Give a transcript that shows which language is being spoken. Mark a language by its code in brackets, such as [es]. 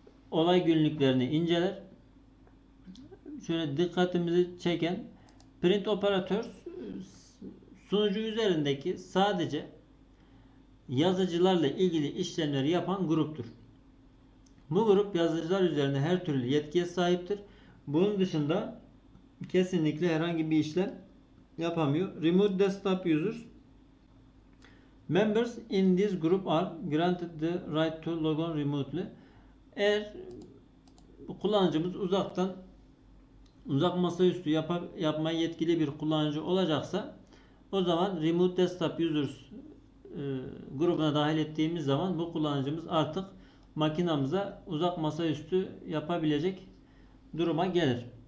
[tr] Olay günlüklerini inceler. Şöyle dikkatimizi çeken print operators sunucu üzerindeki sadece yazıcılarla ilgili işlemleri yapan gruptur. Bu grup yazıcılar üzerinde her türlü yetkiye sahiptir. Bunun dışında kesinlikle herhangi bir işlem yapamıyor. [en] Remote desktop users. Members in this group are granted the right to log on remotely. [tr] Eğer kullanıcımız uzak masaüstü yapmaya yetkili bir kullanıcı olacaksa, o zaman remote desktop users grubuna dahil ettiğimiz zaman bu kullanıcımız artık makinamıza uzak masaüstü yapabilecek duruma gelir.